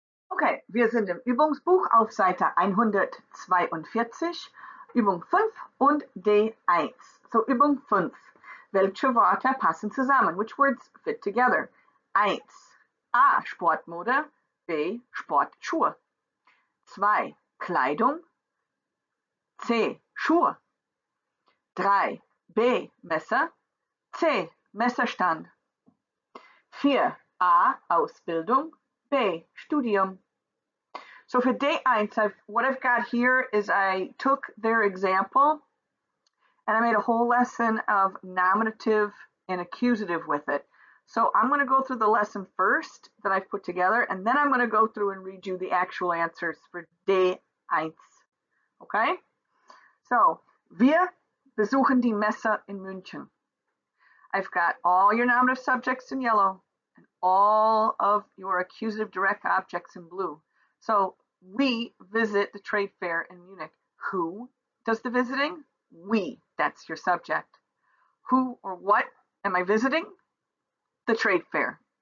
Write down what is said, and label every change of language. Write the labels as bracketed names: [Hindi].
[German] Okay, wir sind im Übungsbuch auf Seite 142, Übung 5 und D1. So, Übung 5. Welche Wörter passen zusammen? [English] Which words fit together? [German] 1. A. Sportmode. B. Sportschuhe. 2. Kleidung. C. Schuhe. 3. B. Messer. C. Messerstand. 4. A. Ausbildung. B. Studium. [English] So for day eins, what I've got here is I took their example and I made a whole lesson of nominative and accusative with it. So I'm going to go through the lesson first that I've put together, and then I'm going to go through and read you the actual answers for day eins. Okay? [German] So wir besuchen die Messe in München. [English] I've got all your nominative subjects in yellow and all of your accusative direct objects in blue. So we visit the trade fair in Munich. Who does the visiting? We, that's your subject. Who or what am I visiting? The trade fair.